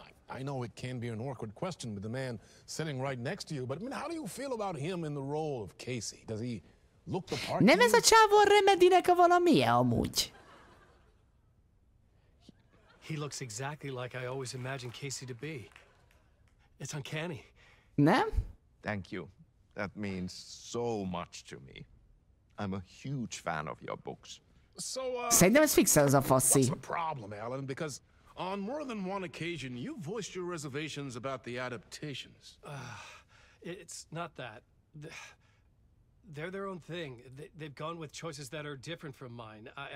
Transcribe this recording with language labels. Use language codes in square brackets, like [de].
[en] I know it can be an awkward question with the man sitting right next to you, but I mean, how do you feel about him in the role of Casey? Does he look the part? [hu] Nem ez a csávó Remedinek a valamije amúgy. [en] He looks exactly like I always imagined Casey to be. It's uncanny. [hu] Nem? [en] Thank you. That means so much to me. I'm a huge fan of your books. [hu] So, szerintem ez fixel az a faszi. [en] What's the problem, Alan? Because on more than one occasion, you voiced your reservations about the adaptations. It's not that. They're their own thing. They've gone with choices that are different from mine.